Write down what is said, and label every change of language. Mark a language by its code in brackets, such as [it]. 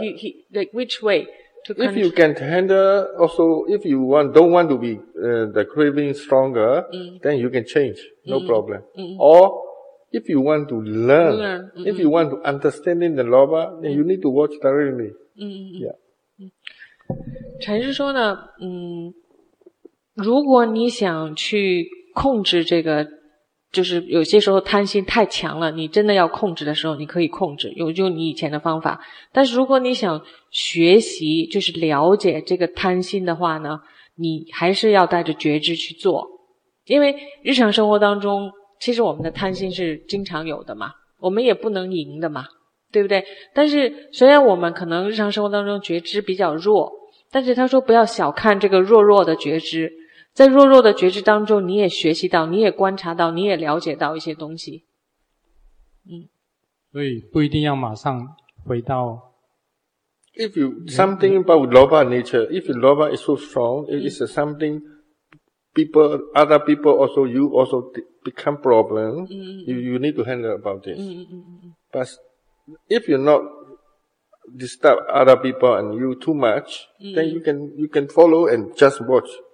[en] he, like, which way to control? If you can handle, also, if you want, don't want to be, the craving stronger, then you can change. No problem. Mm-mm. Or, if you want to learn, mm-mm. if you want to understand the loba, then you need to watch directly. Mm-mm. Yeah. [zh] 禅师说呢, 如果你想去, 控制这个, 就是有些时候贪心太强了, 你真的要控制的时候, 你可以控制, 用你以前的方法。但是如果你想学习, 就是了解这个贪心的话呢, 你还是要带着觉知去做。因为日常生活当中, 其实我们的贪心是经常有的嘛, 我们也不能赢的嘛, 对不对? 但是虽然我们可能日常生活当中觉知比较弱, 但是他说不要小看这个弱弱的觉知, 在弱弱的觉知当中, 你也学习到, 你也观察到, 你也了解到一些东西。所以不一定要马上回到, [en] if you, something about loba nature, if loba is so strong, it is something people, other people also, you also become problem, you need to handle about this. But if you're not disturb other people and you too much, then you can follow and just watch.